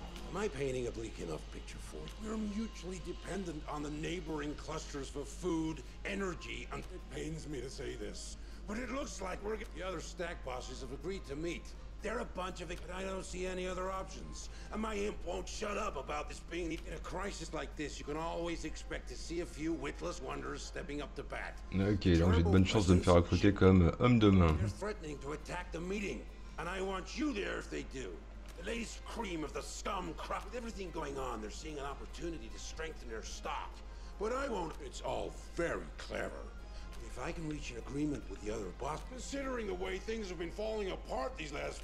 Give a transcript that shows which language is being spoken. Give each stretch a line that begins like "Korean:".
English: Am I painting a bleak enough picture for you? We're mutually dependent on the neighboring clusters for food, energy, and it pains me to say this, but it looks like we're the other stack bosses have agreed to meet. They're a bunch of it, but I don't see any other options. And my imp won't shut up about this being in a crisis like this. You can always expect to see a few witless wonders stepping up to bat.
French: Ok, donc j'ai de bonnes chances de me faire recruter comme homme de main.
English: They're threatening to attack the meeting, and I want you there if they do. The latest cream of the scum crop. With everything going on, they're seeing an opportunity to strengthen their stock. But I won't. It's all very clever. If I can reach an agreement with the other boss, considering the way things have been falling apart these last...